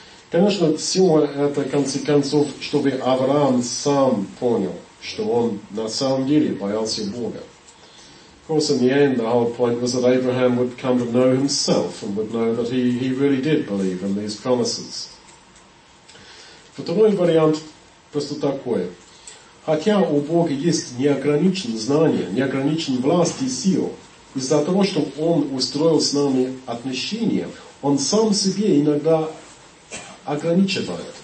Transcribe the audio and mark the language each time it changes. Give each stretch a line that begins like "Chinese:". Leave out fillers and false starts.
Russian: Конечно, все это, в конце концов, чтобы Авраам сам понял, что он на самом деле боялся Бога.
English: Of course, in the end, the whole point was that Abraham would come to know himself and would know that he really did believe in these promises.
Russian: Второй вариант просто такой. Хотя у Бога есть неограниченное знание, неограниченная власть и сила, из-за того, что Он устроил с нами отношения, Он сам себе иногда ограничивает.